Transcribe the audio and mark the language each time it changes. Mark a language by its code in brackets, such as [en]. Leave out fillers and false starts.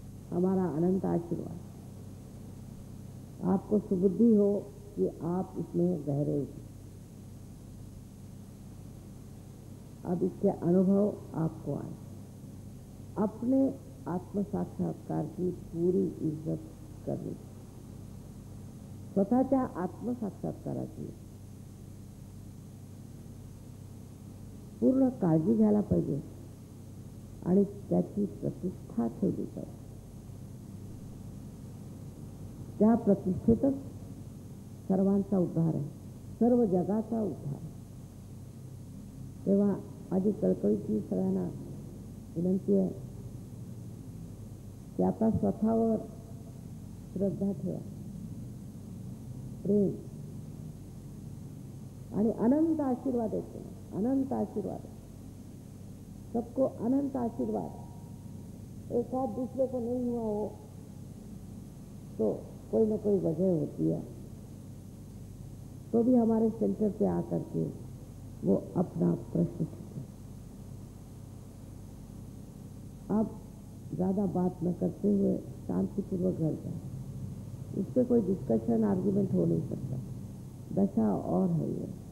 [hi] हमारा अनंत आशीर्वाद, आपको सुबुद्धि हो कि आप इसमें गहरे हो। अब इसके अनुभव आपको आए, अपने आत्म साक्षात्कार की पूरी इज्जत कर लीजिए, [mr] स्वतःचा आत्म साक्षात्कार पूर्ण काळजी घ्यायला पाहिजे आणि त्याची प्रतिष्ठा ठेवली पाहिजे। त्या प्रतिष्ठेतच सर्वांचा उद्धार आहे, सर्व जगाचा उद्धार। तेव्हा माझी कळकळीची सगळ्यांना विनंती आहे की आता स्वतःवर श्रद्धा ठेवा, प्रेम आणि अनंत आशीर्वाद येते, अनंत आशीर्वाद, [hi] सबको अनंत आशीर्वाद। एक आध दूसरे को नहीं हुआ हो तो कोई ना कोई वजह होती है, तो भी हमारे सेंटर पे आकर के वो अपना प्रश्न पूछते। अब ज्यादा बात न करते हुए शांतिपूर्वक घर जाए, इस पर कोई डिस्कशन आर्गुमेंट हो नहीं सकता, दशा और है ये।